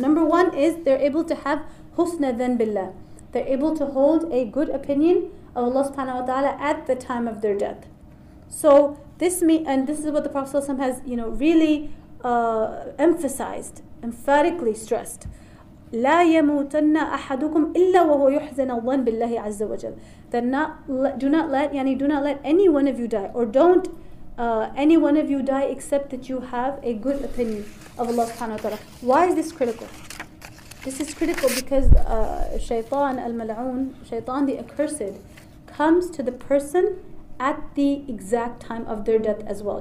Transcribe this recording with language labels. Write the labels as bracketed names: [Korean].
[English] Number one is they're able to have husna dhan billah. They're able to hold a good opinion of Allah subhanahu wa ta'ala at the time of their death. So this is what the Prophet sallallahu alaihi wasallam has, really emphasized, emphatically stressed. [Arabic] لا يموتن أحدكم إلا وهو يحزن الله بالله عز وجل. [English] That do not let any one of you die, or don't any one of you die except that you have a good opinion of Allah subhanahu wa ta'ala. Why is this critical? This is critical because Shaytan al-Mal'oon, Shaytan the accursed, comes to the person at the exact time of their death as well.